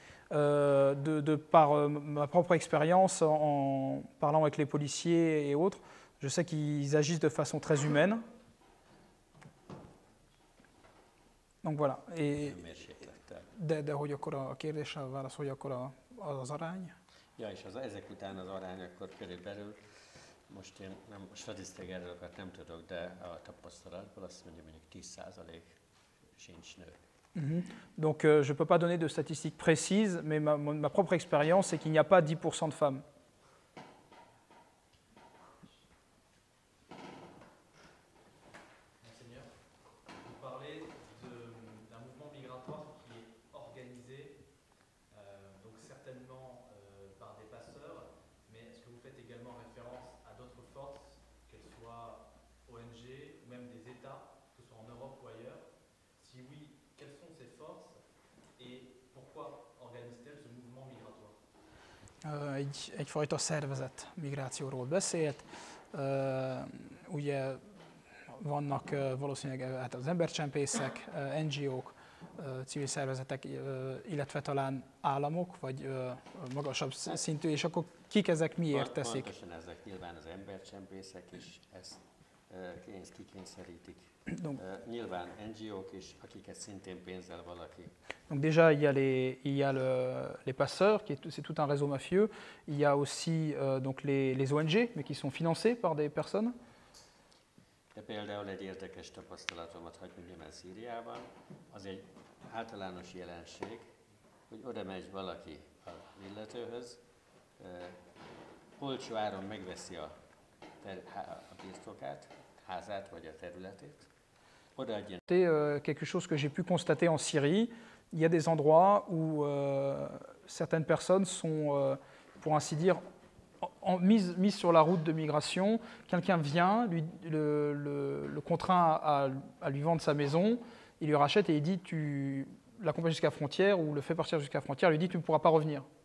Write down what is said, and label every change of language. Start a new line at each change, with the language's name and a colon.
French: De par ma propre expérience en parlant avec les policiers et autres, je sais qu'ils agissent de façon très humaine. Donc voilà. Et
Hungarian: de hogy akkor a kérdésre válaszolj, akkor az arány? Ja, és az ezek után az arány akkor körülbelül, most én nem statisztikáról nem tudok, de a tapasztalatból azt mondja, mondjuk 10% sincs nő.
French: Donc je ne peux pas donner de statistiques précises, mais ma propre expérience c'est qu'il n'y a pas 10% de femmes. Monseigneur, vous parlez d'un mouvement migratoire qui est organisé, donc certainement par des passeurs, mais est-ce que vous faites également référence à d'autres forces, qu'elles soient ONG ou même des États, que ce soit en Europe ou ailleurs? Si oui, quelles sont ces forces et pourquoi organisent-elles ce mouvement migratoire?
Hungarian: Egyfajta szervezet migrációról beszélt. Ugye vannak valószínűleg hát az embercsempészek, NGO-k, civil szervezetek, illetve talán államok, vagy magasabb szintű, és akkor kik ezek miért teszik? Pontosan ezek nyilván az embercsempészek is ezt kikényszerítik.
French: Donc,
Hungarian: nyilván NGO-k is, akiket szintén pénzzel valaki.
French: Donc déjà, il y a les passeurs, c'est tout un réseau mafieux. Il y a aussi donc les ONG, mais qui sont financés par des personnes.
Hungarian: De például egy érdekes tapasztalatomat hagy mondjam el Szíriában. Az egy általános jelenség, hogy oda megy valaki az illetőhöz, olcsó áron megveszi a birtokát, házát vagy a területét.
French: C'est quelque chose que j'ai pu constater en Syrie. Il y a des endroits où certaines personnes sont, pour ainsi dire, mises sur la route de migration. Quelqu'un vient, le contraint à lui vendre sa maison, il lui rachète et il dit, tu l'accompagnes jusqu'à la frontière ou le fait partir jusqu'à la frontière, il lui dit, tu ne pourras pas revenir.